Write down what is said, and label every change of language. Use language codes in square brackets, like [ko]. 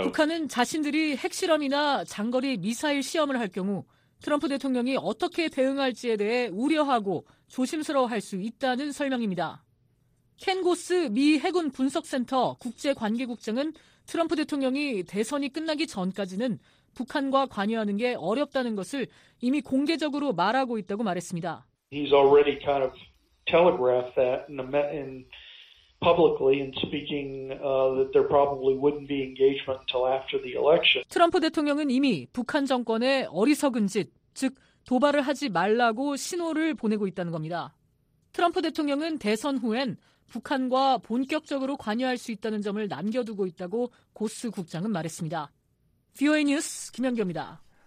[ko] 북한은 자신들이 핵실험이나 장거리 미사일 시험을 할 경우 트럼프 대통령이 어떻게 대응할지에 대해 우려하고 조심스러워할 수 있다는 설명입니다. 켄고스 미 해군 분석센터 국제관계국장은 트럼프 대통령이 대선이 끝나기 전까지는 북한과 관여하는 게 어렵다는 것을 이미 공개적으로 말하고 있다고 말했습니다. [en] He's already kind of telegraphed that in publicly in speaking that there probably wouldn't be engagement until after the election. [ko] 트럼프 대통령은 이미 북한 정권에 어리석은 짓, 즉 도발을 하지 말라고 신호를 보내고 있다는 겁니다. 트럼프 대통령은 대선 후엔 북한과 본격적으로 관여할 수 있다는 점을 남겨두고 있다고 고스 국장은 말했습니다. VOA 뉴스 김연경입니다.